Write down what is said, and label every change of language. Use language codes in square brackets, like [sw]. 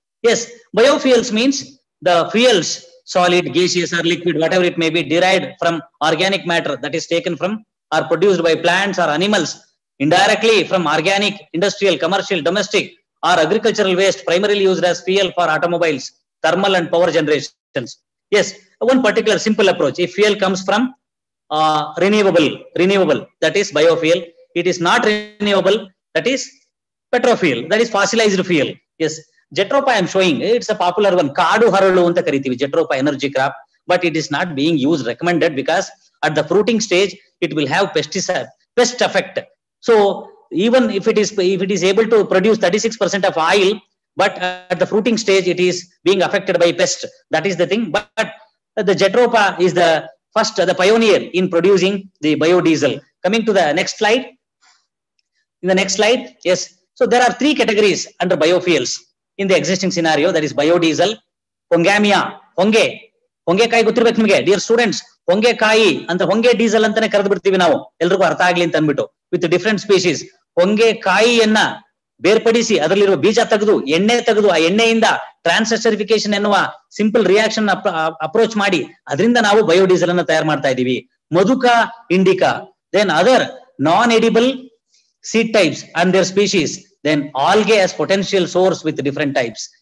[en] Yes, biofuels means the fuels, solid, gaseous or liquid, whatever it may be, derived from organic matter, that is taken from or produced by plants or animals, indirectly from organic, industrial, commercial, domestic or agricultural waste, primarily used as fuel for automobiles, thermal and power generations. Yes, one particular simple approach, if fuel comes from renewable, that is biofuel. It is not renewable, that is petrofuel, that is fossilized fuel. Yes, jatropha I am showing, it's a popular one, [kn] ಕಾಡು ಹರಳು ಅಂತ ಕರಿತೀವಿ [en] Jatropha energy crop. But it is not being use recommended because at the fruiting stage it will have pest effect. So even if it is able to produce 36% of oil, but at the fruiting stage it is being affected by pest, that is the thing. But the jatropha is the first the pioneer in producing the biodiesel. Coming to the next slide, in the next slide, yes. So there are 3 categories under biofuels in the existing scenario, that is biodiesel, [kn] ಹೊಂಗಾಮಿಯಾ, ಹೊಂಗೆಕಾಯಿ ಗೊತ್ತಿರ್ಬೇಕು ನಿಮಗೆ dear students, ಹೊಂಗೆಕಾಯಿ ಅಂತ ಹೊಂಗೆ diesel ಅಂತಾನೆ ಕರೆದು ಬಿಡ್ತೀವಿ ನಾವು, ಎಲ್ರಿಗೂ ಅರ್ಥ ಆಗ್ಲಿ ಅಂತ ಅಂದ್ಬಿಟ್ಟು. [en] with different species, [kn] ಹೊಂಗೆಕಾಯಿಯನ್ನ ಬೇರ್ಪಡಿಸಿ ಅದರಲ್ಲಿರುವ ಬೀಜ ತೆಗೆದು ಎಣ್ಣೆ ತೆಗೆದು ಆ ಎಣ್ಣೆಯಿಂದ ಟ್ರಾನ್ಸ್ಟರಿಫಿಕೇಶನ್ ಎನ್ನುವ ಸಿಂಪಲ್ ರಿಯಾಕ್ಷನ್ ಅಪ್ರೋಚ್ ಮಾಡಿ ಅದರಿಂದ ನಾವು ಬಯೋಡೀಸೆಲ್ ಅನ್ನು ತಯಾರು ಮಾಡ್ತಾ ಇದೀವಿ. ಮಧುಕ, Indica, [en] Then other non edible seed types and their species, then algae as potential source with different types.